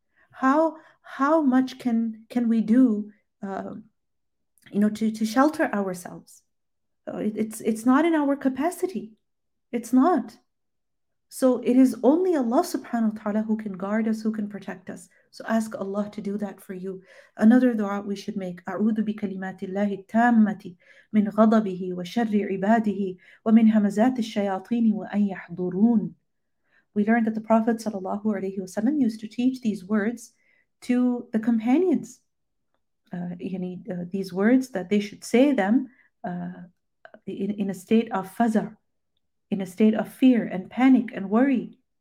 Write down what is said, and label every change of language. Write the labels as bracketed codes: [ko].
[en] How much can we do to shelter ourselves? It's not in our capacity. It's not. So it is only Allah subhanahu wa ta'ala who can guard us, who can protect us. So ask Allah to do that for you. Another dua we should make. [ar] أعوذ بكلمات الله التامة من غضبه وشر عباده ومن همزات الشياطين وأن يحضرون. [en] We learned that the Prophet sallallahu alayhi wasallam used to teach these words to the companions. These words that they should say them in a state of fazar, in a state of fear and panic and worry.